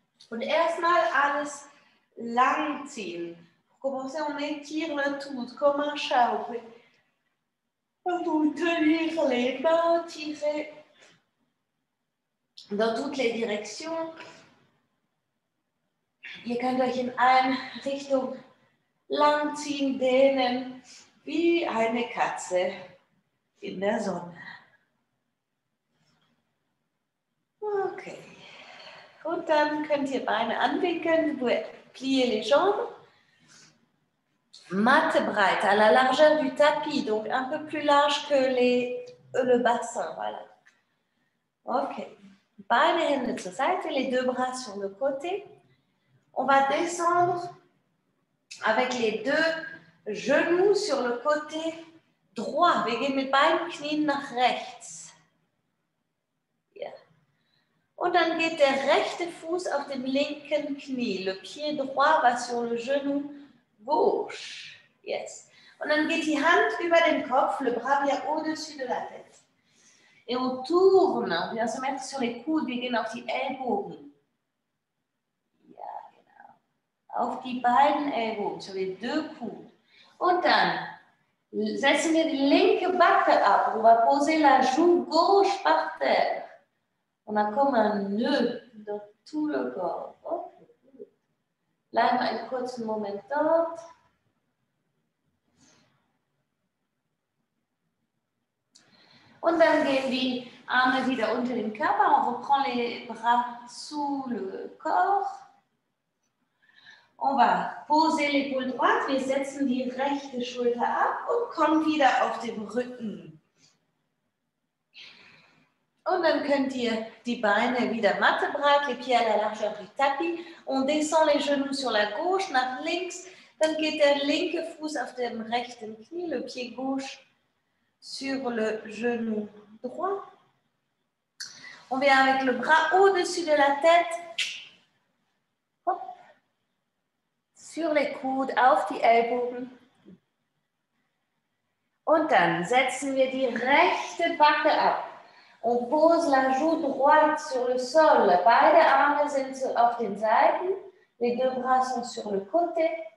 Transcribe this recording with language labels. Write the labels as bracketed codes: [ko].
[de] Und erstmal alles langziehen. [fr] Pour commencer, on étire le tout, comme un chat. Vous pouvez vous tenir les mains, tirer dans toutes les directions. [de] Ihr könnt euch in eine Richtung langziehen, dehnen, wie eine Katze in der Sonne. Okay. Und dann könnt ihr Beine anwinkeln, [fr] plier les jambes. [de] Matte breite, [fr] à la largeur du tapis, donc un peu plus large que le bassin, voilà. Okay. [de] Beine, Hände zur Seite, [fr] les deux bras sur le côté. On va descendre avec les deux genoux sur le côté droit. [de] Wir gehen mit beiden Knien nach rechts. Und dann geht der rechte Fuß auf dem linken Knie. [fr] Le pied droit va sur le genou gauche. [en] Yes. [de] Und dann geht die Hand über den Kopf, [fr] le bras vient au-dessus de la tête. Et on tourne, on vient se mettre sur les coudes, [de] wir gehen auf die Ellbogen. Ja, genau. Auf die beiden Ellbogen, [fr] sur les deux coudes. [de] Und dann setzen wir die linke Backe ab, [fr] on va poser la joue gauche par terre. On a comme un nœud dans tout le corps. Okay. Là, un court moment. [de] Und dann gehen die Arme wieder unter den Körper. [fr] On reprend les bras sous le corps. On va poser l'épaule droite. [de] Wir setzen die rechte Schulter ab und kommen wieder auf den Rücken. Und dann könnt ihr die Beine wieder matte breit, [fr] les pieds à la largeur du tapis. On descend les genoux sur la gauche, [de] nach links. Dann geht der linke Fuß auf dem rechten Knie, [fr] le pied gauche sur le genou droit. On vient avec le bras au-dessus de la tête. Hop. Sur les coudes, [de] auf die Ellbogen. Und dann setzen wir die rechte Backe ab. [fr] On pose la joue droite sur le sol. [de] Beide Arme sind auf den Seiten. [fr] Les deux bras sont sur le côté.